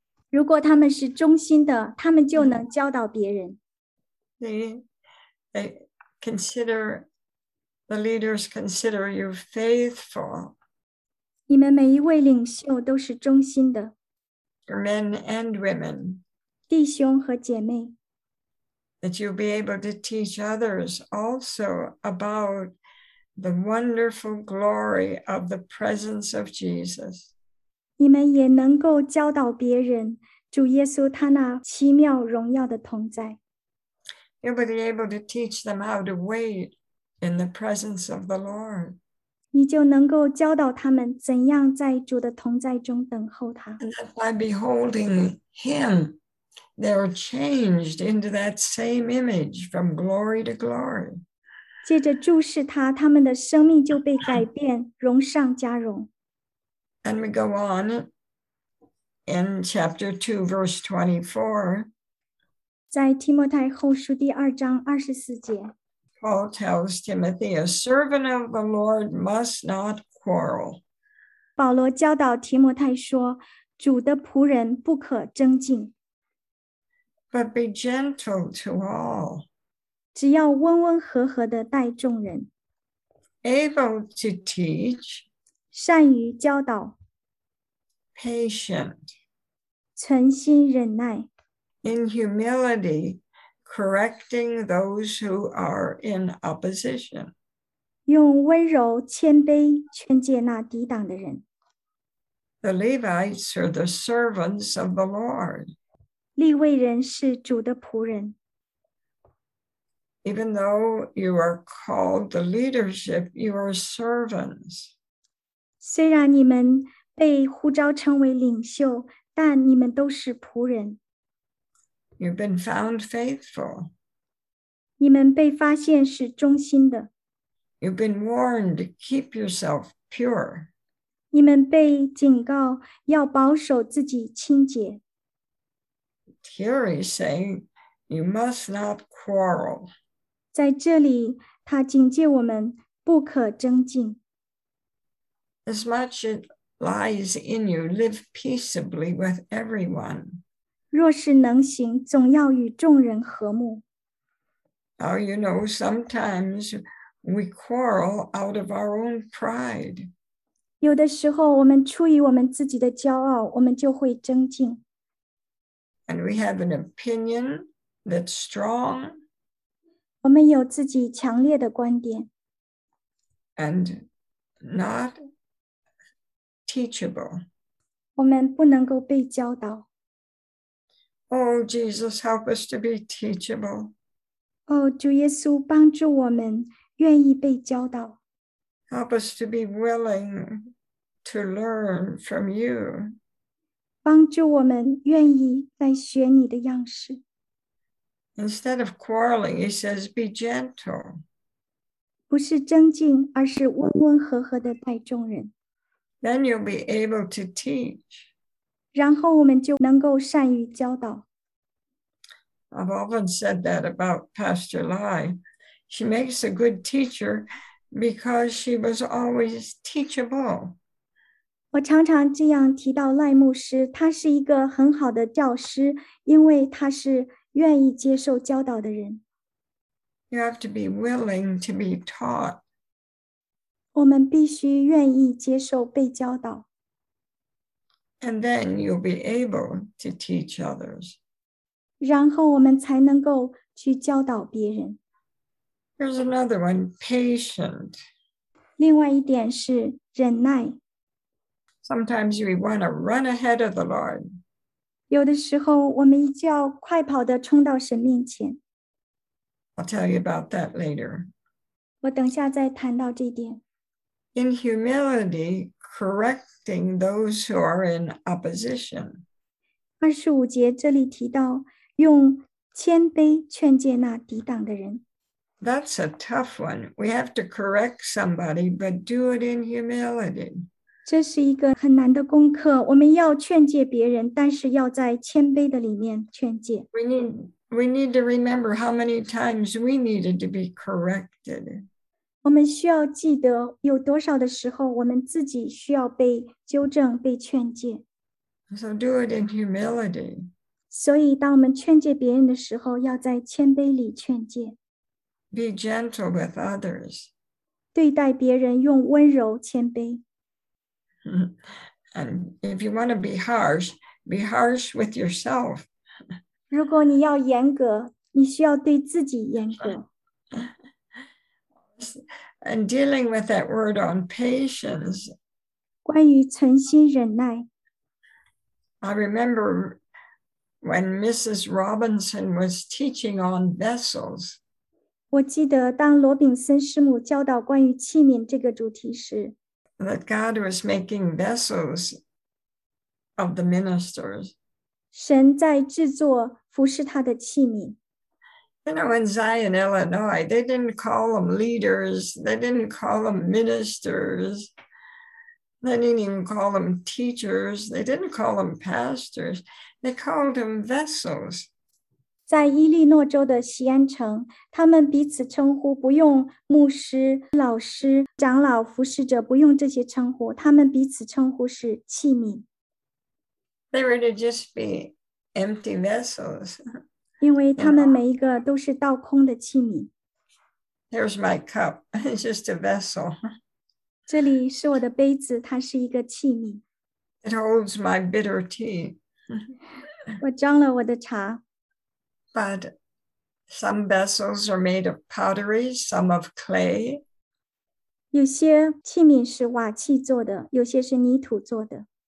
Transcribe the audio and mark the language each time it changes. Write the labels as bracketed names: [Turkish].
[Chinese] 如果他们是忠心的，他们就能教导别人。 [English] They consider, the leaders consider you faithful. [Chinese] 你们每一位领袖都是忠心的。 [English] Men and women. [Chinese] 弟兄和姐妹 [English] that you'll be able to teach others also about the wonderful glory of the presence of Jesus. [Chinese] 你们也能够教导别人主耶稣他那奇妙荣耀的同在。 [English] You'll be able to teach them how to wait in the presence of the Lord. [Chinese] 你就能够教导他们怎样在主的同在中等候他。 [English] And that by beholding him,They are changed into that same image from glory to glory. [Chinese] 借着注视他，他们的生命就被改变，荣上加荣。 [English] And we go on in chapter 2, verse 24. [Chinese] 在提摩太后书第二章二十四节。 [English] Paul tells Timothy, a servant of the Lord must not quarrel. [Chinese] 保罗教导提摩太说，主的仆人不可争竞。 [English] But be gentle to all. [Chinese] 只要温温和和地待众人。 [English] Able to teach. [Chinese] 善于教导。 [English] Patient. [Chinese] 存心忍耐。 [English] In humility, correcting those who are in opposition. [Chinese] 用温柔谦卑劝诫那抵挡的人。 [English] The Levites are the servants of the Lord. [Chinese] 利未人是主的仆人。 [English] Even though you are called the leadership, you are servants. [Chinese] 虽然你们被呼召成为领袖，但你们都是仆人。 [English] You've been found faithful. [Chinese] 你们被发现是忠心的。 [English] You've been warned to keep yourself pure. [Chinese] 你们被警告要保守自己清洁。 [English] Here he's saying, you must not quarrel. [Chinese] 在这里，他警戒我们不可争竞。 [English] As much as lies in you, live peaceably with everyone. [Chinese] 若是能行，总要与众人和睦。 [English] Oh, you know, sometimes we quarrel out of our own pride. [Chinese] 有的时候，我们出于我们自己的骄傲，我们就会争竞。 [English] And we have an opinion that's strong. [Chinese] 我们有自己强烈的观点。 [English] And not teachable. [Chinese] 我们不能够被教导。 [English] Oh, Jesus, help us to be teachable. [Chinese] 哦，主耶稣，帮助我们愿意被教导。 [English] Help us to be willing to learn from you. [Chinese] 帮助我们愿意来学你的样式。 [English] Instead of quarreling, he says, be gentle. [Chinese] 不是争竞，而是温温和和的待众人。 [English] Then you'll be able to teach. [Chinese] 然后我们就能够善于教导。 [English] I've often said that about Pastor Lai. She makes a good teacher because she was always teachable. [Chinese] 我常常这样提到赖牧师，他是一个很好的教师，因为他是愿意接受教导的人。 [English] You have to be willing to be taught. [Chinese] 我们必须愿意接受被教导。 [English] And then you'll be able to teach others. [Chinese] 然后我们才能够去教导别人。 [English] Here's another one, patient. [Chinese] 另外一点是忍耐。 [English] Sometimes we want to run ahead of the Lord. [Chinese] 有的时候我们就要快跑地冲到神面前。 [English] I'll tell you about that later. [Chinese] 我等下再谈到这点。 [English] In humility, correcting those who are in opposition. [Chinese] 25节这里提到用谦卑劝诫那抵挡的人。 [English] That's a tough one. We have to correct somebody, but do it in humility. [Chinese] 这是一个很难的功课。我们要劝诫别人，但是要在谦卑的里面劝诫。 [English] We need to remember how many times we needed to be corrected. [Chinese] 我们需要记得有多少的时候我们自己需要被纠正、被劝诫。 [English] So do it in humility. [Chinese] 所以当我们劝诫别人的时候，要在谦卑里劝诫。 [English] Be gentle with others. [Chinese] 对待别人用温柔谦卑。 [English] And if you want to be harsh with yourself. [Chinese] 如果你要严格，你需要对自己严格。 [English] And dealing with that word on patience. [Chinese] 关于存心忍耐。 [English] I remember when Mrs. Robinson was teaching on vessels. [Chinese] 我记得当罗炳森师母教导关于器皿这个主题时 [English] ，That God was making vessels of the ministers. [Chinese] 神在制作服侍他的器皿。 [English] You know, in Zion, Illinois, they didn't call them leaders. They didn't call them ministers. They didn't even call them teachers. They didn't call them pastors. They called them vessels. [Chinese] 在伊利诺州的锡安城，他们彼此称呼不用牧师、老师、长老、服侍者，不用这些称呼，他们彼此称呼是器皿。 [English] They were to just be empty vessels. [Chinese] 因为他们每一个都是倒空的器皿。 [English] Here's my cup. It's just a vessel. [Chinese] 这里是我的杯子，它是一个器皿。 [English] It holds my bitter tea. [Chinese] 我装了我的茶。 [English] But some vessels are made of pottery, some of clay. [Chinese] 有些器皿是瓦器做的，有些是泥土做的。